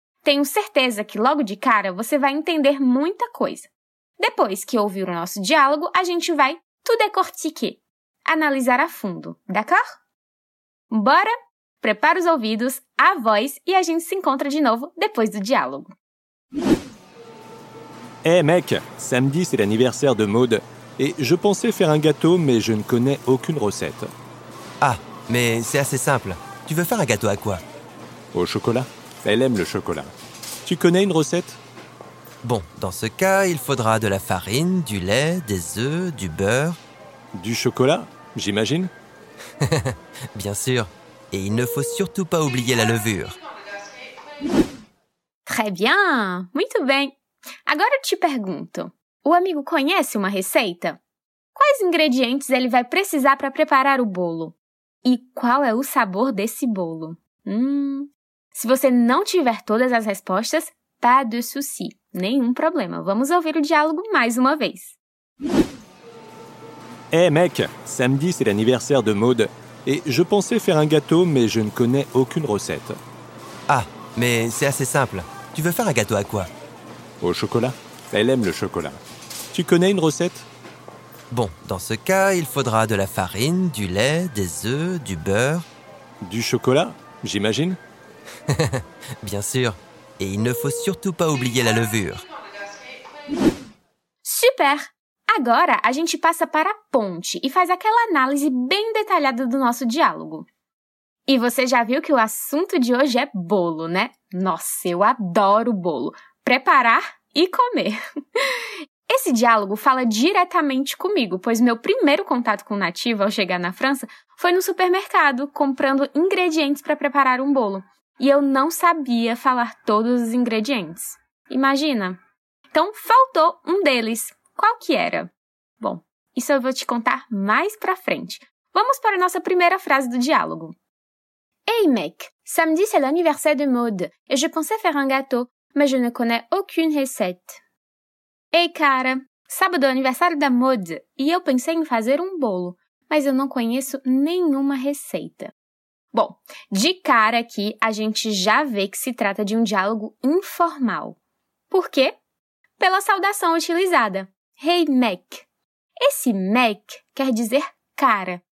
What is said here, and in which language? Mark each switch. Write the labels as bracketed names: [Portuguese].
[Portuguese] Tenho certeza que logo de cara você vai entender muita coisa. Depois que ouvir o nosso diálogo, a gente vai [French] tout décortiquer, [Portuguese] analisar a fundo, [French] d'accord? [Portuguese] Bora? Prepara os ouvidos, a voz e a gente se encontra de novo depois do diálogo. [French] Hey mec, samedi c'est l'anniversaire de Maud et je pensais faire un gâteau mais je ne connais aucune recette. Ah, mais c'est assez simple. Tu veux faire un gâteau à quoi? Au chocolat. Elle aime le chocolat. Tu connais une recette? Bon, dans ce cas, il faudra de la farine, du lait, des œufs, du beurre. Du chocolat, j'imagine. Bien sûr. Et il ne faut surtout pas oublier la levure. Très bien. [Portuguese] Muito bem. Agora eu te pergunto. O amigo conhece uma receita? Quais ingredientes ele vai precisar para preparar o bolo? E qual é o sabor desse bolo? Se você não tiver todas as respostas, [French] pas de souci. [Portuguese] Nenhum problema. Vamos ouvir o diálogo mais uma vez. [French] Hey mec, samedi c'est l'anniversaire de Maud et je pensais faire un gâteau mais je ne connais aucune recette. Ah, mais c'est assez simple. Tu veux faire un gâteau à quoi? Au chocolat. Elle aime le chocolat. Tu connais une recette? Bon, dans ce cas, il faudra de la farine, du lait, des œufs, du beurre. Du chocolat, j'imagine? Bien sûr. Et il ne faut surtout pas oublier la levure. Super! [Portuguese] Agora, a gente passa para a ponte e faz aquela análise bem detalhada do nosso diálogo. E você já viu que o assunto de hoje é bolo, né? Nossa, eu adoro bolo. Preparar e comer. Esse diálogo fala diretamente comigo, pois meu primeiro contato com o nativo ao chegar na França foi no supermercado, comprando ingredientes para preparar um bolo. E eu não sabia falar todos os ingredientes. Imagina! Então, faltou um deles. Qual que era? Bom, isso eu vou te contar mais pra frente. Vamos para a nossa primeira frase do diálogo. [French] Hey mec, samedi c'est l'anniversaire de Maud et je pensais faire un gâteau, mas je ne connais aucune recette. [Portuguese] Ei, cara! Sábado é o aniversário da Maud e eu pensei em fazer um bolo, mas eu não conheço nenhuma receita. Bom, de cara aqui, a gente já vê que se trata de um diálogo informal. Por quê? Pela saudação utilizada. Hey, Mac. Esse Mac quer dizer cara.